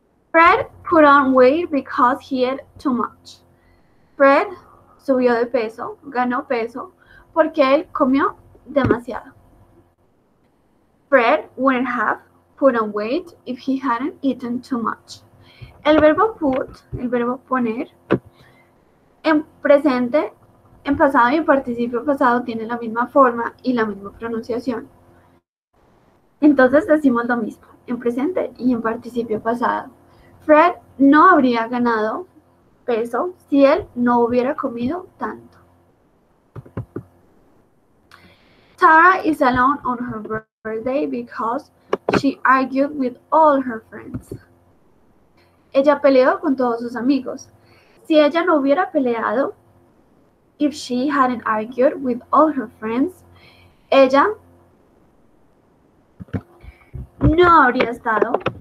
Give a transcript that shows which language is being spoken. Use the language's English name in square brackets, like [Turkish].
[English] Fred put on weight because he ate too much. [Spanish] Fred subió de peso, ganó peso, porque él comió demasiado. [English] Fred wouldn't have put on weight if he hadn't eaten too much. [Spanish] El verbo put, el verbo poner, en presente, en pasado y en participio pasado tiene la misma forma y la misma pronunciación. Entonces decimos lo mismo, en presente y en participio pasado. Fred no habría ganado peso si él no hubiera comido tanto. [English] Tara is alone on her birthday because she argued with all her friends. [Spanish] Ella peleó con todos sus amigos. Si ella no hubiera peleado, [English] if she hadn't argued with all her friends, [Spanish] ella no habría estado.